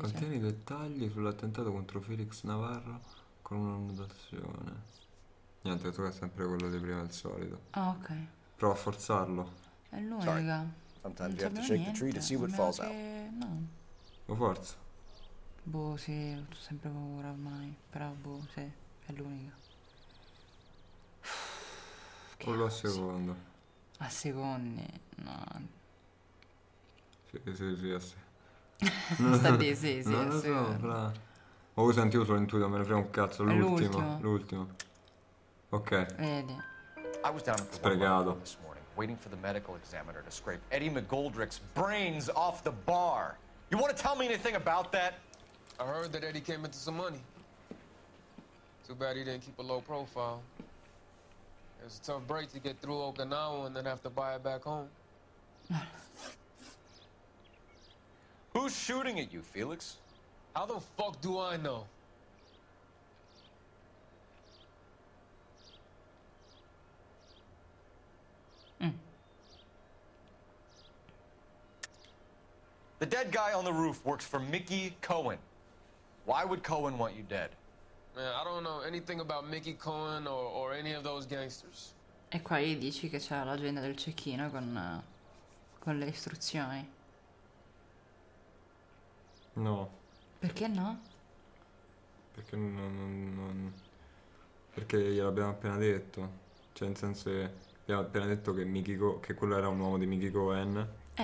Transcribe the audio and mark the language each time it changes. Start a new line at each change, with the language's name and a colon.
Italian: Contiene i dettagli sull'attentato contro Felix Navarro con una annotazione. Niente, tu è sempre quello di prima, il solito. Ah, ok. Prova a forzarlo. È lui, raga.
English: Sometimes you have to shake the tree to see what falls out. No.
Italian: Lo forzo. Boh, sì, ho sempre paura ormai. Però, boh, sì, è l'unica. Quello a secondo. A secondi? No. Sì. Sì. Non lo so, fra. Ma voi senti, io sono intuito, me ne frega un cazzo. L'ultimo. Ok. Vedi.
English: I was down
Italian: sprecato.
English: This morning, waiting for the medical examiner to scrape Eddie McGoldrick's brains off the bar. You want to tell me anything about that? I heard that Eddie came into some money. Too bad he didn't keep a low profile. It was a tough break to get through Okinawa and then have to buy it back home. Who's shooting at you, Felix? How the fuck do I know? The dead guy on the roof works for Mickey Cohen. Why would Cohen want you dead? Man, I don't know anything about Mickey Cohen or any of those gangsters.
Italian: E qua gli dici che c'è l'agenda del cecchino con le istruzioni. No. Perché no? Perché non perché gliel'abbiamo appena detto. Cioè, nel senso, abbiamo appena detto che che quello era un uomo di Mickey Cohen.